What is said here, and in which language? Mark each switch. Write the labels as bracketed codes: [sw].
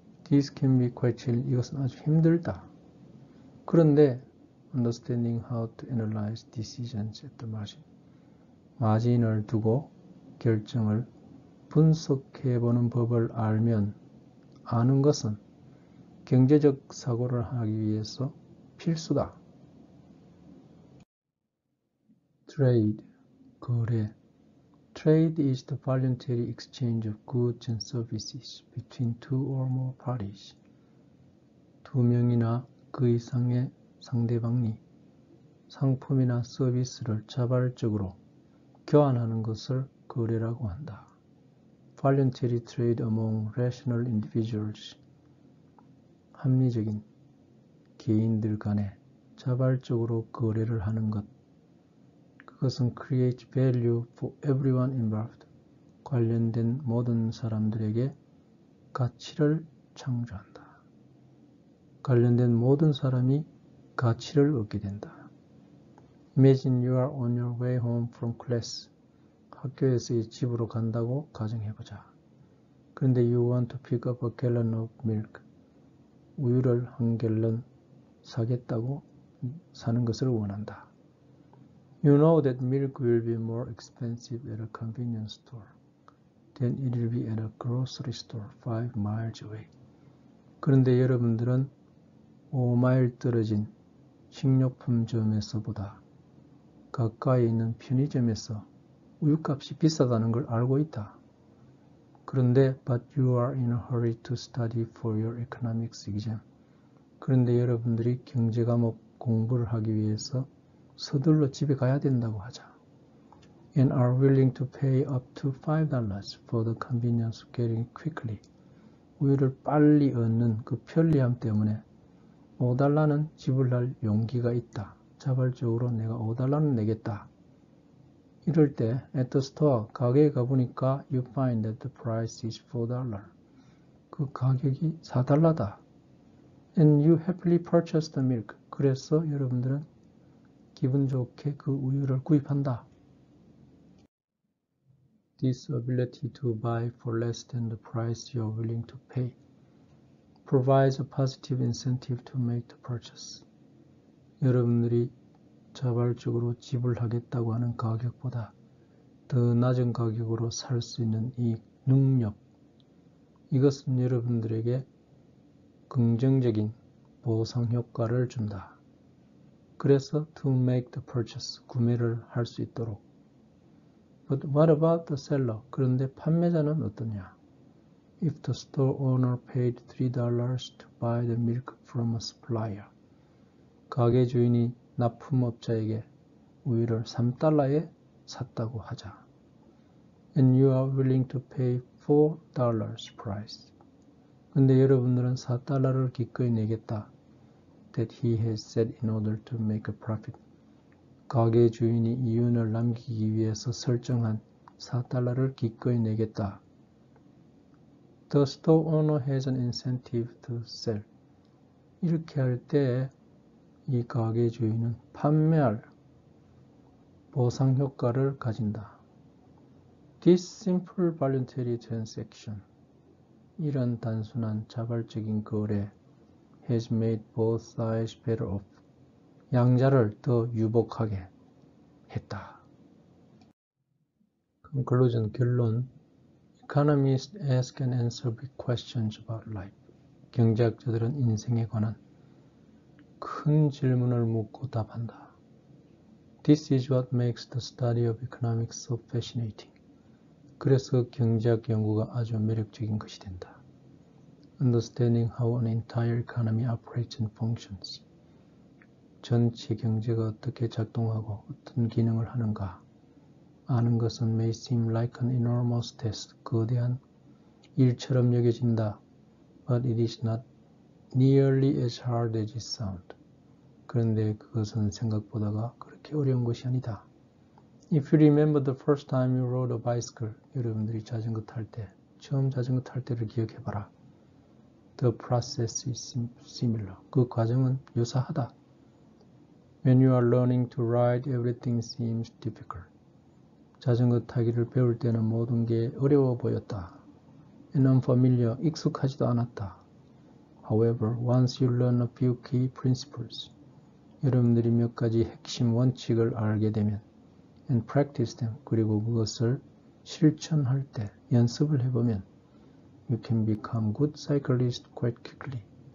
[en] This can be quite challenging. [ko] 이것은 아주 힘들다. 그런데 [en] understanding how to analyze decisions at the margin. [ko] 마진을 두고 결정을 분석해 보는 법을 알면 아는 것은 경제적 사고를 하기 위해서 필수다. [en] Trade, 거래. Trade is the voluntary exchange of goods and services between two or more parties. [ko] 두 명이나 그 이상의 상대방이 상품이나 서비스를 자발적으로 교환하는 것을 거래라고 한다. [en] Voluntary trade among rational individuals. [ko] 합리적인 개인들 간에 자발적으로 거래를 하는 것. [en] 그것은 create value for everyone involved. [ko] 관련된 모든 사람들에게 가치를 창조한다. 관련된 모든 사람이 가치를 얻게 된다. [en] Imagine you are on your way home from class. [ko] 학교에서의 집으로 간다고 가정해보자. [en] 그런데 you want to pick up a gallon of milk. [ko] 우유를 한 갤런 사겠다고 사는 것을 원한다. [en] You know that milk will be more expensive at a convenience store than it will be at a grocery store 5 miles away. [ko] 그런데 여러분들은 5마일 떨어진 식료품점에서보다 가까이 있는 편의점에서 우유값이 비싸다는 걸 알고 있다. [en] 그런데 but you are in a hurry to study for your economics exam. [ko] 그런데 여러분들이 경제 과목 공부를 하기 위해서 서둘러 집에 가야 된다고 하자. [en] And are willing to pay up to $5 for the convenience of getting quickly. [ko] 우유를 빨리 얻는 그 편리함 때문에 5달러는 지불할 용기가 있다. 자발적으로 내가 5달러는 내겠다. 이럴 때 [en] at the store [ko] 가게에 가보니까 [en] you find that the price is $4. [ko] 그 가격이 4달러다. [en] And you happily purchase the milk. [ko] 그래서 여러분들은 기분 좋게 그 우유를 구입한다. [en] This ability to buy for less than the price you are willing to pay provides a positive incentive to make the purchase. [ko] 여러분들이 자발적으로 지불하겠다고 하는 가격보다 더 낮은 가격으로 살수 있는 이 능력. 이것은 여러분들에게 긍정적인 보상 효과를 준다. 그래서 [en] to make the purchase, [ko] 구매를 할수 있도록. [en] But what about the seller? [ko] 그런데 판매자는 어떠냐? [en] If the store owner paid $3 to buy the milk from a supplier. [ko] 가게 주인이 납품업자에게 우유를 3달러에 샀다고 하자. [en] And you are willing to pay $4 price. [ko] 근데 여러분들은 4달러를 기꺼이 내겠다. [en] That he has said in order to make a profit. [ko] 가게 주인이 이윤을 남기기 위해서 설정한 4달러를 기꺼이 내겠다. [en] The store owner has an incentive to sell. [ko] 이렇게 할때이 가게 주인은 판매할 보상 효과를 가진다. [en] This simple voluntary transaction. [ko] 이런 단순한 자발적인 거래 [en] has made both sides better off. [ko] 양자를 더 유복하게 했다. [en] Conclusion, 결론. Economists ask and answer big questions about life. [ko] 경제학자들은 인생에 관한 큰 질문을 묻고 답한다. [en] This is what makes the study of economics so fascinating. [ko] 그래서 경제학 연구가 아주 매력적인 것이 된다. [en] Understanding how an entire economy operates and functions. [ko] 전체 경제가 어떻게 작동하고 어떤 기능을 하는가 아는 것은 [en] may seem like an enormous task, [ko] 거대한 일처럼 여겨진다. [en] But it is not nearly as hard as it sounds. [ko] 그런데 그것은 생각보다가 그렇게 어려운 것이 아니다. [en] If you remember the first time you rode a bicycle, [ko] 여러분들이 자전거 탈 때, 처음 자전거 탈 때를 기억해봐라. [en] The process is similar. [ko] 그 과정은 유사하다. [en] When you are learning to ride, everything seems difficult. [ko] 자전거 타기를 배울 때는 모든 게 어려워 보였다. [en] And unfamiliar, [ko] 익숙하지도 않았다. [en] However, once you learn a few key principles, [ko] 여러분들이 몇 가지 핵심 원칙을 알게 되면, [en] and practice them, [ko] 그리고 그것을 실천할 때 연습을 해보면, [en] You can become good cyclist quite quickly.